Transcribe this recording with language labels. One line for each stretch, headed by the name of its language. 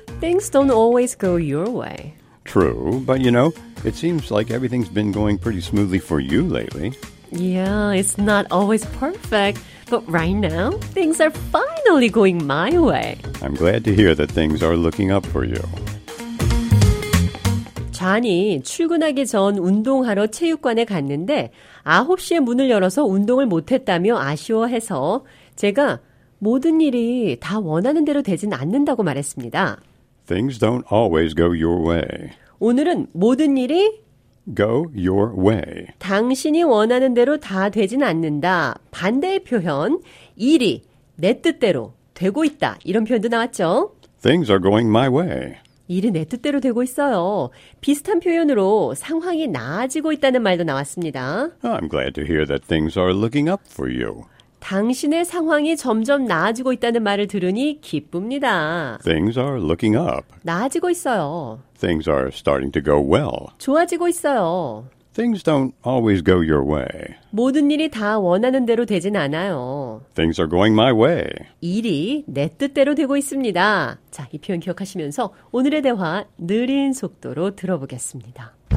English: Things don't always go your way. True, but you know, it seems like everything's been going pretty smoothly for you lately. Yeah, it's not always perfect, but right now, things are finally going my way. I'm glad to hear that things are looking up for you.
Korean: 존이 출근하기 전 운동하러 체육관에 갔는데 9시에 문을 열어서 운동을 못했다며 아쉬워해서 제가 모든 일이 다 원하는 대로 되진 않는다고 말했습니다.
English: Things don't always go your way.
Korean: 오늘은 모든 일이
English: go your way.
Korean: 당신이 원하는 대로 다 되진 않는다. 반대의 표현, 일이 내 뜻대로 되고 있다. 이런 표현도 나왔죠.
English: Things are going my way.
Korean: 일이 내 뜻대로 되고 있어요. 비슷한 표현으로 상황이 나아지고 있다는 말도 나왔습니다.
English: I'm glad to hear that things are looking up for you.
Korean: 당신의 상황이 점점 나아지고 있다는 말을 들으니 기쁩니다.
English: Things are looking up.
Korean: 나아지고 있어요.
English: Things are starting to go well.
Korean: 좋아지고 있어요.
English: Things don't always go your way.
Korean: 모든 일이 다 원하는 대로 되진 않아요.
English: Things are going my way.
Korean: 일이 내 뜻대로 되고 있습니다. 자, 이 표현 기억하시면서 오늘의 대화 느린 속도로 들어보겠습니다.